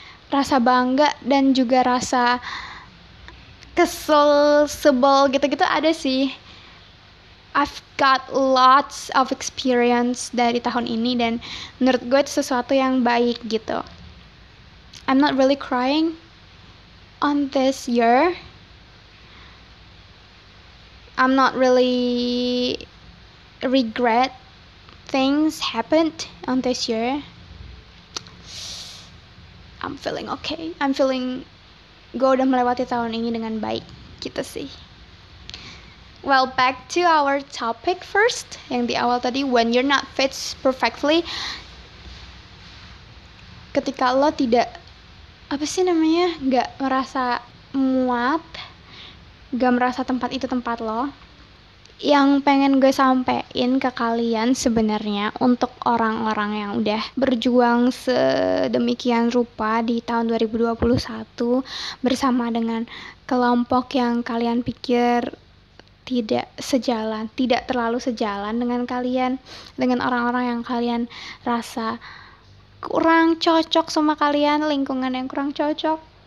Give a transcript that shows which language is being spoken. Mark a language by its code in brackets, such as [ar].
[id] rasa bangga dan juga rasa kesel, sebel gitu-gitu ada sih. [en] I've got lots of experience [id] dari tahun ini dan menurut gue itu sesuatu yang baik gitu. [en] I'm not really crying on this year. I'm not really regret things happened on this year. I'm feeling okay. I'm feeling [id] gue udah melewati tahun ini dengan baik gitu sih. [en] Well, back to our topic first. [id] Yang di awal tadi, [en] when you're not fit perfectly. [id] Ketika lo tidak, apa sih namanya, gak merasa muat, gak merasa tempat itu tempat lo. Yang pengen gue sampein ke kalian sebenarnya untuk orang-orang yang udah berjuang sedemikian rupa di tahun 2021 bersama dengan kelompok yang kalian pikir tidak sejalan, tidak terlalu sejalan dengan kalian, dengan orang-orang yang kalian rasa kurang cocok sama kalian, lingkungan yang kurang cocok.